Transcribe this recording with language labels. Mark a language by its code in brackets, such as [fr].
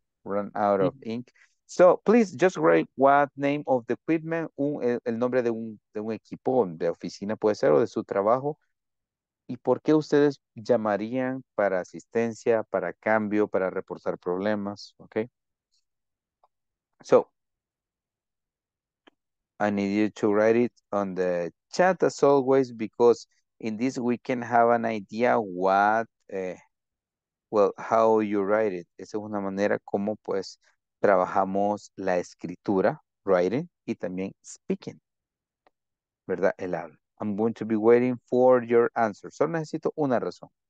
[en] Run out of ink. So, please just write what name of the equipment, [es] el nombre de un equipo, de oficina puede ser, o de su trabajo. ¿Y por qué ustedes llamarían para asistencia, para cambio, para reportar problemas? [en] Okay. So, I need you to write it on the chat as always, because in this we can have an idea what, well, how you write it. [es] Esa es una manera como pues trabajamos la escritura, writing, y también speaking, ¿verdad? El habla. [en] I'm going to be waiting for your answer. [es] Solo necesito una razón.